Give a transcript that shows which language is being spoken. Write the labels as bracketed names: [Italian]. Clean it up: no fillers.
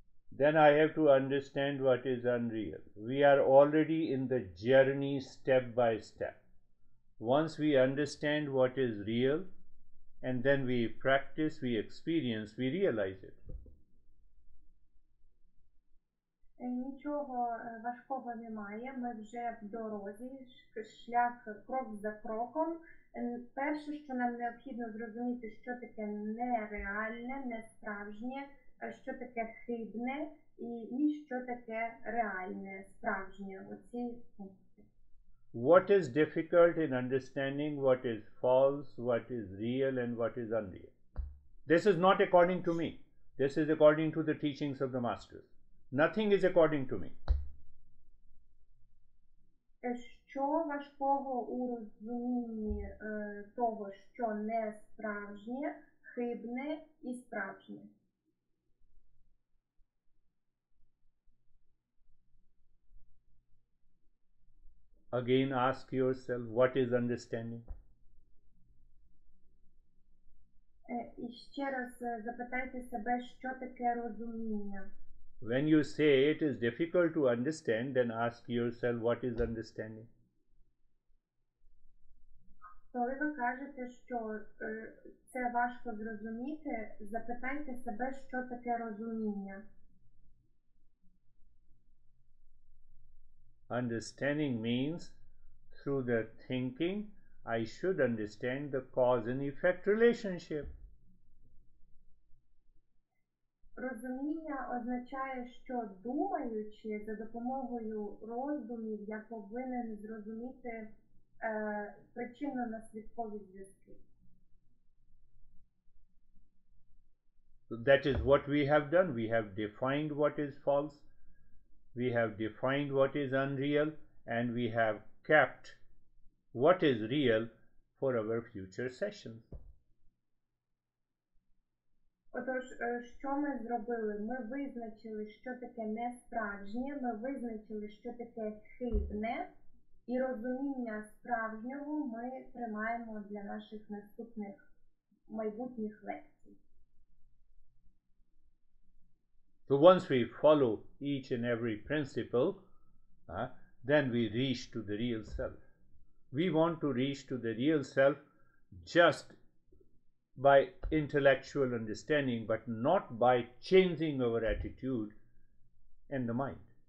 [English] Then I have to understand what is unreal. We are already in the journey, step by step. Once we understand what is real, and then we practice, we experience, we realize it. [Ukrainian] Нічого важкого немає, ми вже в дорозі, шлях крок за кроком. Перше, що нам необхідно зрозуміти, що таке нереальне, несправжнє, що таке хибне, і що таке реальне, справжнє. Оці [English] What is difficult in understanding what is false, what is real, and what is unreal? This is not according to me. This is according to the teachings of the masters. Nothing is according to me. [Ukrainian] Що важкого у розумінні того, що не справжнє, хибне і справжнє? [English] Again, ask yourself, what is understanding? [Ukrainian] І ще раз запитайте себе, що таке розуміння. [English] When you say it is difficult to understand, then ask yourself, what is understanding? [Ukrainian] Коли ви кажете, що це важко зрозуміти, запитайте себе, що таке розуміння. [English] Understanding means, through the thinking, I should understand the cause and effect relationship. [Ukrainian] Розуміння означає, що думаючи, за допомогою роздумів, я повинен зрозуміти причинно-наслідкові зв'язки. [English] That is what we have done. We have defined what is false. We have defined what is unreal, and we have kept what is real for our future sessions. [Ukrainian] Отож, що ми зробили? Ми визначили, що таке несправжнє, ми визначили, що таке хибне, і розуміння справжнього ми тримаємо для наших наступних майбутніх лекцій. [English] So once we follow each and every principle, then we reach to the real self. We want to reach to the real self just by intellectual understanding, but not by changing our attitude and the mind.